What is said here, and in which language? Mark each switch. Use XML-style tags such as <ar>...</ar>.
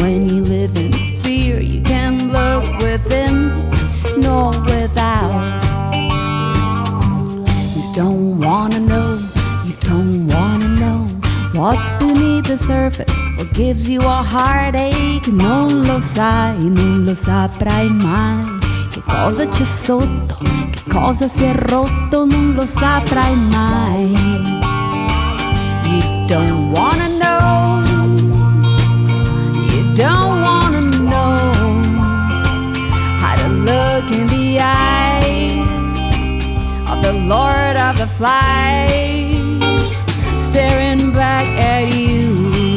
<en>When you live in fear, you can't look within nor without. You don't wanna know, you don't wanna know what's beneath the surface, what gives you a heartache.</en> <it>Non lo sai, non lo saprai mai. Che cosa c'è sotto, che cosa si è rotto, non lo saprai mai.</it> <en>You don't wanna know, you don't wanna know how to look in the eyes of the Lord of the Flies, staring back at you.</en>